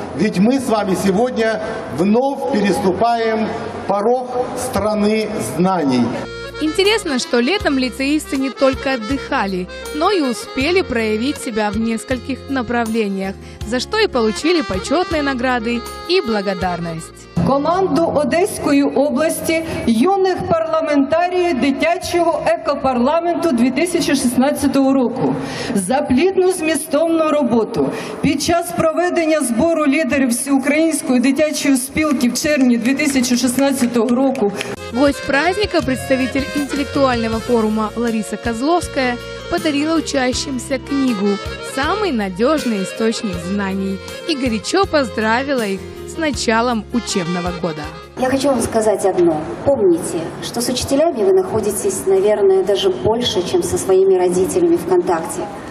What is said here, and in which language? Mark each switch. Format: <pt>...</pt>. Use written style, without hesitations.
<ru>Ведь мы с вами сегодня вновь переступаем порог страны знаний. Интересно, что летом лицеисты не только отдыхали, но и успели проявить себя в нескольких направлениях, за что и получили почетные награды и благодарность.</ru> <uk>Команду Одеської області юних парламентарів дитячого екопарламенту 2016 року за плідну змістовну роботу під час проведення збору лідерів Всеукраїнської дитячої спілки в червні 2016 року.</uk> <ru>Гость праздника, представитель интеллектуального форума Лариса Козловская, подарила учащимся книгу «Самый надежный источник знаний» и горячо поздравила их с началом учебного года. Я хочу вам сказать одно. Помните, что с учителями вы находитесь, наверное, даже больше, чем со своими родителями в контакте.</ru>